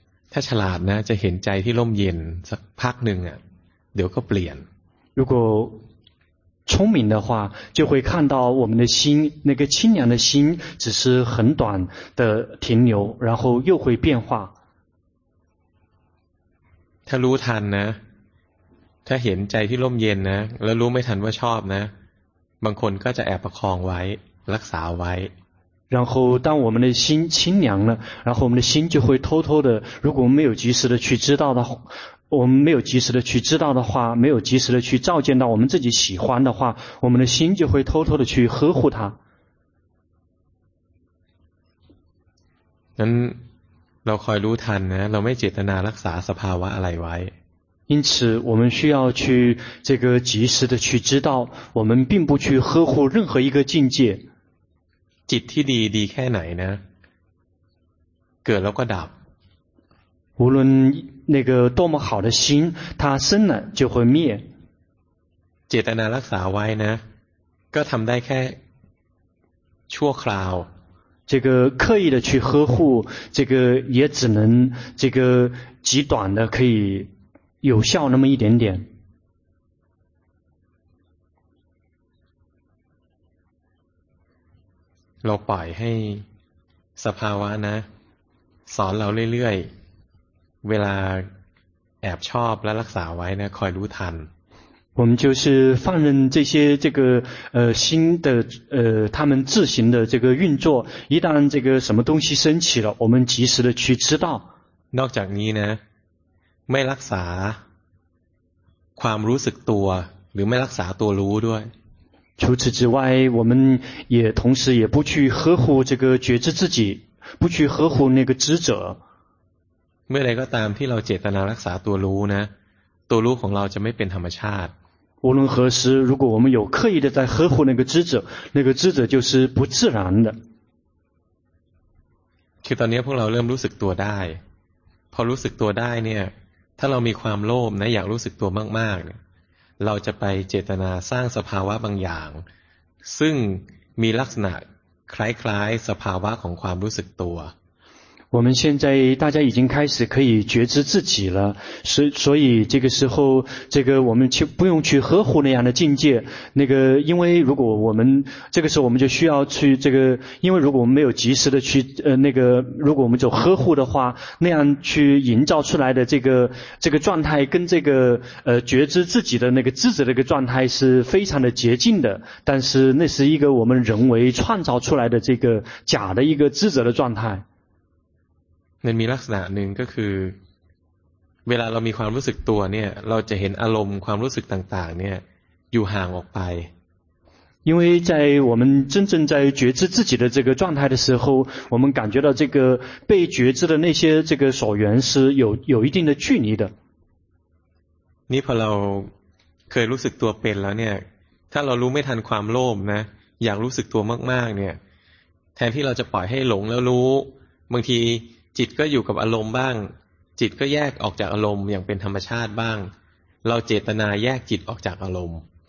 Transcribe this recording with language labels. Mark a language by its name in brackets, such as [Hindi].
[Thai] ถ้าฉลาดนะจะเห็นใจที่ร่มเย็นสักพักหนึ่งอ่ะเดี๋ยวก็เปลี่ยน [Chinese] 如果聪明的话就会看到我们的心那个清凉的心只是很短的停留然后又会变化 [Thai] ถ้ารู้ทันนะถ้าเห็นใจที่ร่มเย็นนะแล้วรู้ไม่ทันว่าชอบนะบางคนก็จะแอบประคองไว้รักษาไว้ [Chinese] 然后当我们的心清凉了然后我们的心就会偷偷的如果没有及时的去知道的我们没有及时的去知道的话没有及时的去照见到我们自己喜欢的话我们的心就会偷偷的去呵护它 [Thai] นั้นเราคอยรู้ทันนะเราไม่เจตนารักษาสภาวะอะไรไว้ [Chinese] 因此我们需要去这个及时的去知道我们并不去呵护任何一个境界 [Thai] จิตที่ดีดีแค่ไหนนะเกิดแล้วก็ดับ [Chinese] 无论那个多么好的心它生了就会灭 [Thai] เจตนารักษาไว้นะก็ทำได้แค่ชั่วคราว [Chinese] 这个刻意的去呵护这个也只能这个极短的可以有效那么一点点 [Thai] เราปล่อยให้สภาวะนะสอนเราเรื่อยๆเวลาแอบชอบและรักษาไว้นะคอยรู้ทัน [Chinese] 我们就是放任这些这个心的他们自行的这个运作一旦这个什么东西升起了我们及时的去知道 [Thai] นอกจากนี้นะไม่รักษาความรู้สึกตัวหรือไม่รักษาตัวรู้ด้วย [Chinese] 除此之外我们也同时也不去呵护这个觉知自己不去呵护那个知者 [Thai] เมื่อใดก็ตามที่เราเจตนารักษาตัวรู้นะตัวรู้ของเราจะไม่เป็นธรรมชาติ [Chinese] 无论何时如果我们有刻意的在呵护那个知者那个知者就是不自然的 [Thai] คือตอนนี้พวกเราเริ่มรู้สึกตัวได้พอรู้สึกตัวได้เนี่ยถ้าเรามีความโลภนะอยากรู้สึกตัวมากๆเราจะไปเจตนาสร้างสภาวะบางอย่างซึ่งมีลักษณะคล้ายๆสภาวะของความรู้สึกตัว [Chinese] 我们现在大家已经开始可以觉知自己了，所以这个时候，这个我们去不用去呵护那样的境界。那个，因为如果我们这个时候我们就需要去这个，因为如果我们没有及时的去那个，如果我们走呵护的话，那样去营造出来的这个状态跟这个觉知自己的那个智者的一个状态是非常的接近的。但是那是一个我们人为创造出来的这个假的一个智者的状态。 [Thai] มันมีลักษณะหนึ่งก็คือเวลาเรามีความรู้สึกตัวเนี่ยเราจะเห็นอารมณ์ความรู้สึกต่างๆเนี่ยอยู่ห่างออกไป [Chinese] 因为在我们真正在觉知自己的这个状态的时候我们感觉到这个被觉知的那些这个所缘是有一定的距离的 [Thai] นี่พอเราเคยรู้สึกตัวเป็นแล้วเนี่ยถ้าเรารู้ไม่ทันความโลภนะอยากรู้สึกตัวมากๆเนี่ยแทนที่เราจะปล่อยให้หลงแล้วรู้บางทีจิตก็อยู่กับอารมณ์บ้างจิตก็แยกออกจากอารมณ์อย่างเป็นธรรมชาติบ้างเราเจตนาแยกจิตออกจากอารมณ์